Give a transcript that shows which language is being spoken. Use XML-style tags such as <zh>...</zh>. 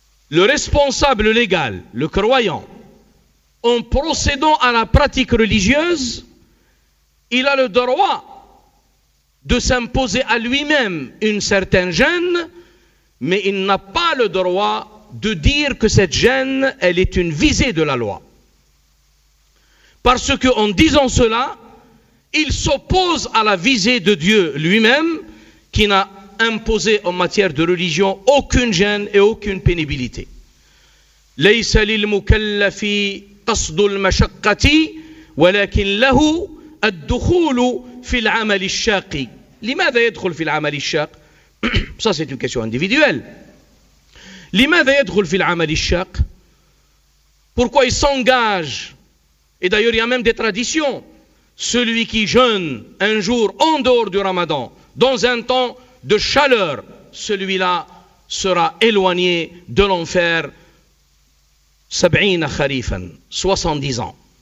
<fr>Le responsable légal, le croyant, en procédant à la pratique religieuse, il a le droit de s'imposer à lui-même une certaine gêne, mais il n'a pas le droit de dire que cette gêne, elle est une visée de la loi. Parce que en disant cela, il s'oppose à la visée de Dieu lui-même, qui n'a imposer en matière de religion aucune gêne et aucune pénibilité.</fr> <ar>ليس للمكلف قصد المشقة ولكن له الدخول في العمل الشاق. لماذا يدخل في العمل الشاق؟</ar> <fr>Ça c'est une question individuelle.</fr> <ar>لماذا يدخل في العمل الشاق؟</ar> <fr>Pourquoi il s'engage? Et d'ailleurs il y a même des traditions. Celui qui jeûne un jour en dehors du Ramadan, dans un temps de chaleur, celui-là sera éloigné de l'enfer 70 ans.</fr>